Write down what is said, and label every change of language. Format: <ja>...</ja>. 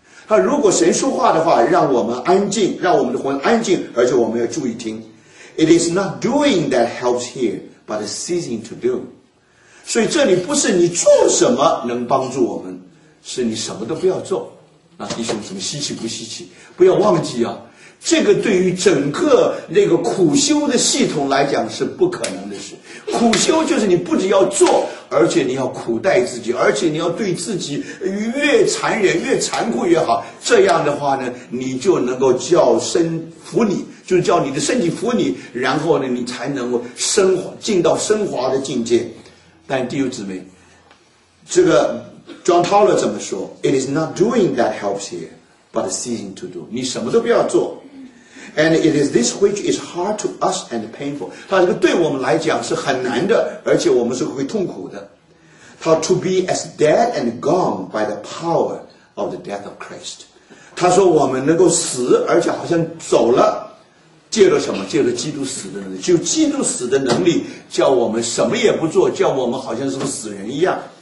<zh>那如果神说话的话，让我们安静，让我们的魂安静，而且我们要注意听。</zh> <en>It is not doing that helps here, but ceasing to do.</en> <zh>所以这里不是你做什么能帮助我们，是你什么都不要做。那弟兄怎么稀奇不稀奇？不要忘记啊，这个对于整个那个苦修的系统来讲是不可能的事。苦修就是你不只要做，而且你要苦待自己，而且你要对自己越残忍越残酷越好，这样的话呢，你就能够叫身服你，就是叫你的身体服你，然后呢，你才能够升华，进到升华的境界。但弟兄姊妹，这个 John Towler 怎么说？</zh> <en>It is not doing that helps here, but ceasing to do.</en> <zh>你什么都不要做。</zh> <en>And it is this which is hard to us and painful.</en> <zh>他这个对我们来讲是很难的，而且我们是会痛苦的。</zh> <en>他 to be as dead and gone by the power of the death of Christ.</en> <zh>他说我们能够死，而且好像走了，借着什么？借着基督死的能力，就基督死的能力叫我们什么也不做，叫我们好像是个死人一样。</zh>